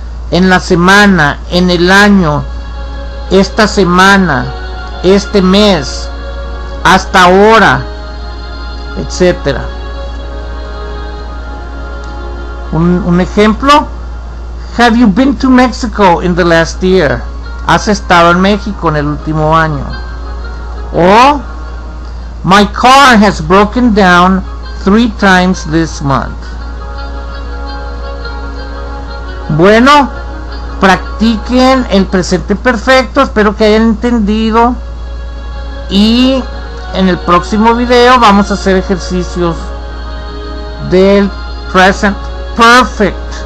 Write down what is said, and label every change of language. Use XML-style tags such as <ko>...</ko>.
<es>En la semana, en el año, esta semana, este mes, hasta ahora, etcétera.</es> <en>Un ejemplo: Have you been to Mexico in the last year?</en> <es>¿Has estado en México en el último año?</es> <en>O My car has broken down 3 times this month.</en> <es>Bueno, practiquen el presente perfecto. Espero que hayan entendido. Y en el próximo video vamos a hacer ejercicios del present perfect.</es>